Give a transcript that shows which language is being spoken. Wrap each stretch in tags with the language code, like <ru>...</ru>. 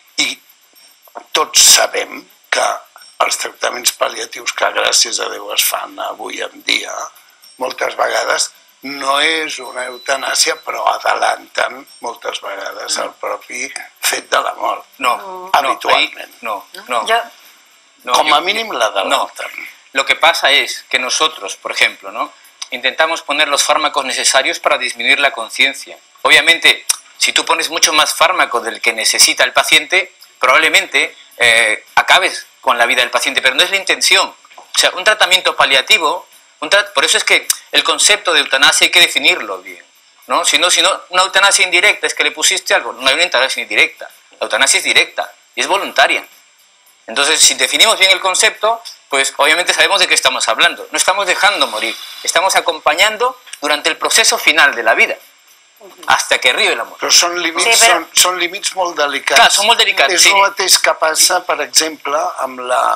<ca>I tots sabem que els tractaments pal·liatius que gràcies a Déu es fan avui en dia, moltes vegades no és una eutanàsia, però adelanten moltes vegades el propi fet de la mort. No, habitualment. No. Com a mínim l'adelanten.</ca> <es>Lo que pasa es que nosotros, por ejemplo, ¿no?, intentamos poner los fármacos necesarios para disminuir la conciencia. Obviamente, si tú pones mucho más fármaco del que necesita el paciente, probablemente acabes con la vida del paciente, pero no es la intención. O sea, un tratamiento paliativo, por eso es que el concepto de eutanasia hay que definirlo bien, ¿no? Si no, una eutanasia indirecta es que le pusiste algo. No hay una eutanasia indirecta, la eutanasia es directa y es voluntaria. Entonces, si definimos bien el concepto, pues obviamente sabemos de qué estamos hablando. No estamos dejando morir, estamos acompañando durante el proceso final de la vida. Hasta que</es> <ca>arribi l'amor. Però són límits, sí, però són límits molt delicats. Clar, són molt delicats, és sí. És el mateix que passa, per exemple, amb la...</ca>